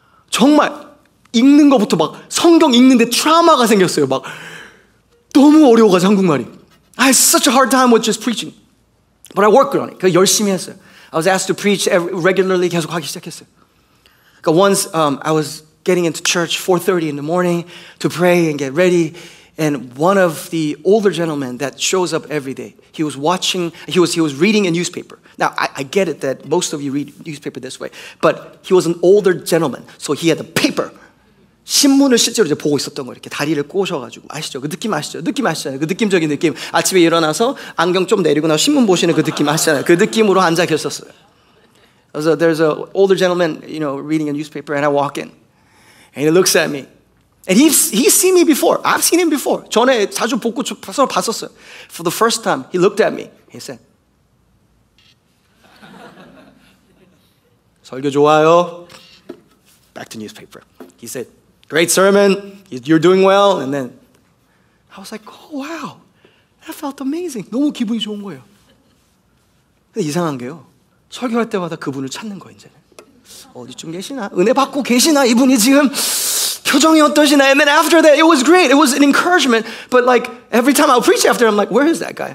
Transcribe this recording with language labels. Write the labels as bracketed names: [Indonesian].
[Korean] 정말 읽는 것부터 막 성경 읽는데 트라우마가 생겼어요. 막 너무 어려워가지고 한국말이. [English] I had such a hard time with just preaching. But I worked on it. [Korean] 그 열심히 했어요. [English] I was asked to preach regularly. [Korean] 계속 하기 시작했어요. [English] 그 once I was getting into church 4:30 in the morning to pray and get ready. And one of the older gentlemen that shows up every day, he was watching, he was reading a newspaper. Now, I get it that most of you read newspaper this way, but he was an older gentleman, so he had a paper. [Korean] 신문을 실제로 이제 보고 있었던 거예요. 이렇게 다리를 꼬셔가지고. 아시죠? 그 느낌 아시죠? 느낌 아시잖아요. 그 느낌적인 느낌. 아침에 일어나서 안경 좀 내리고 나서 신문 보시는 그 느낌 아시잖아요. 그 느낌으로 앉아 계셨었어요. [English] So there's an older gentleman, you know, reading a newspaper, and I walk in. And he looks at me. And he's seen me before. I've seen him before. [Korean] 전에 자주 보고 서로 봤었어요. [English] For the first time, he looked at me. He said, [Korean] 설교 좋아요. [English] Back to newspaper. He said, great sermon. You're doing well. And then I was like, oh, wow. I felt amazing. [Korean] 너무 기분이 좋은 거예요. 근데 이상한 게요. 설교할 때마다 그분을 찾는 거예요, 이제는. 어디쯤 계시나? 은혜 받고 계시나? 이분이 지금 표정이 어떠시나? [English] And then after that, it was great. It was an encouragement. But like, every time I preach after, I'm like, where is that guy?